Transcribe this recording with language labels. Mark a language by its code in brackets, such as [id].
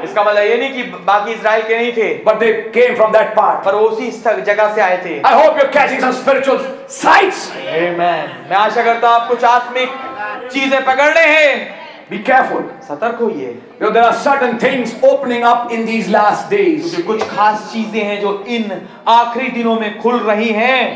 [hi] इसका मतलब ये नहीं कि बाकी इज़राइल के नहीं थे. [en] But they came from that part. [hi] पर वो उसी जगह से आए थे. [en] I hope you're catching some spiritual sights. Amen. [hi] मैं आशा करता हूँ आप कुछ आत्मिक चीजें पकड़ने हैं. [en] Be careful. [hi] सतर्क होइए. [en] You know, there are certain things opening up in these last days. [hi] कुछ खास चीजें हैं जो इन आखिरी दिनों में खुल रही हैं.